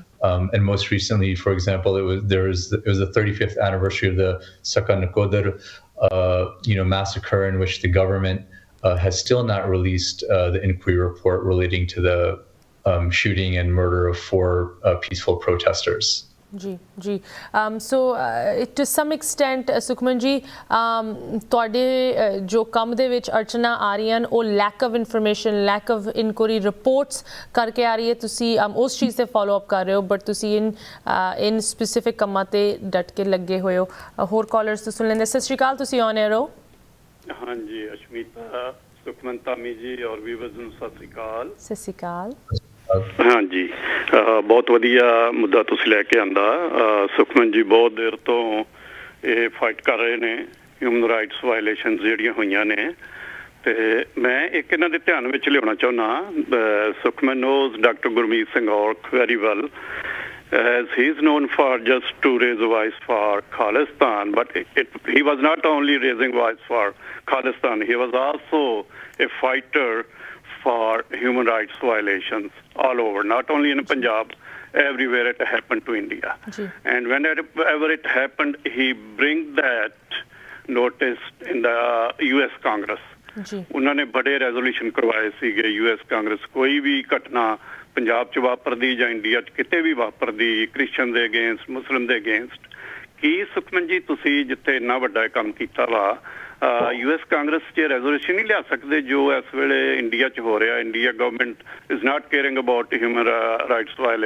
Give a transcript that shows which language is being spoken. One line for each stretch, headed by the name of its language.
English: And most recently, for example, it was the 35th anniversary of the Sakha Nakodar massacre, in which the government has still not released the inquiry report relating to the shooting and murder of four peaceful protesters. To some extent,
Punjabi: Sukhman ji, ਤੁਹਾਡੇ ਜੋ ਕੰਮ ਦੇ ਵਿੱਚ ਅੜਚਣਾਂ ਆ ਰਹੀਆਂ ਨੇ ਉਹ lack of information, lack of ਇਨਕੁਰੀ reports ਕਰਕੇ ਆ ਰਹੀ ਹੈ, ਤੁਸੀਂ ਉਸ ਚੀਜ਼ 'ਤੇ ਫੋਲੋ ਅਪ ਕਰ ਰਹੇ ਹੋ, ਬਟ ਤੁਸੀਂ ਇਨ ਸਪੈਸੀਫਿਕ ਕੰਮਾਂ 'ਤੇ ਡਟ ਕੇ ਲੱਗੇ ਹੋਏ ਹੋ. ਹੋਰ ਕਾਲਰਸ ਤੋਂ ਸੁਣ ਲੈਂਦੇ. ਸਤਿ ਸ਼੍ਰੀ ਅਕਾਲ, ਤੁਸੀਂ ਆਨ ਏਅਰ ਹੋ. ਹਾਂਜੀ, ਅਸ਼ਮੀਤਾ, ਸੁਖਮਨ ਧਾਮੀ ਜੀ ਔਰ ਵਿਵਰਸ ਨੂੰ ਸਤਿ ਸ਼੍ਰੀ ਅਕਾਲ. ਸਤਿ ਸ਼੍ਰੀ ਅਕਾਲ. ਹਾਂਜੀ, ਬਹੁਤ ਵਧੀਆ ਮੁੱਦਾ ਤੁਸੀਂ ਲੈ ਕੇ ਆਉਂਦਾ. ਸੁਖਮਨ ਜੀ ਬਹੁਤ ਦੇਰ ਤੋਂ ਇਹ ਫਾਈਟ ਕਰ ਰਹੇ ਨੇ ਹਿਊਮਨ ਰਾਈਟਸ ਵਾਇਲੇਸ਼ਨ ਜਿਹੜੀਆਂ ਹੋਈਆਂ ਨੇ, ਤੇ ਮੈਂ ਇੱਕ ਇਹਨਾਂ ਦੇ ਧਿਆਨ ਵਿੱਚ ਲਿਆਉਣਾ ਚਾਹੁੰਦਾ
English: Sukhman knows doctor Gurmeet Singh Aulakh very well as he is known for just to raise voice for Khalistan but it he was not only raising voice for Khalistan he was also a fighter for human rights violations all over not only in Punjab everywhere it happened to India. Mm-hmm. And whenever it happened, he bring that notice in the US Congress.
Punjabi: ਉਹਨਾਂ ਨੇ ਬੜੇ resolution ਕਰਵਾਏ ਸੀਗੇ US Congress. ਕੋਈ ਵੀ ਘਟਨਾ ਪੰਜਾਬ 'ਚ ਵਾਪਰਦੀ ਜਾਂ ਇੰਡੀਆ 'ਚ ਕਿਤੇ ਵੀ ਵਾਪਰਦੀ ਕ੍ਰਿਸ਼ਚਨ ਦੇ ਅਗੇਂਸਟ ਮੁਸਲਿਮ ਦੇ ਅਗੇਂਸਟ ਕੀ ਸੁਖਮਨ ਜੀ ਤੁਸੀਂ ਜਿੱਥੇ ਇੰਨਾ ਵੱਡਾ ਕੰਮ ਕੀਤਾ ਵਾ US Congress 'ਚ ਰੈਜ਼ੋਲੂਸ਼ਨ ਨਹੀਂ ਲਿਆ ਸਕਦੇ ਜੋ ਇਸ ਵੇਲੇ ਇੰਡੀਆ 'ਚ ਹੋ ਰਿਹਾ
English: India government is not caring about human rights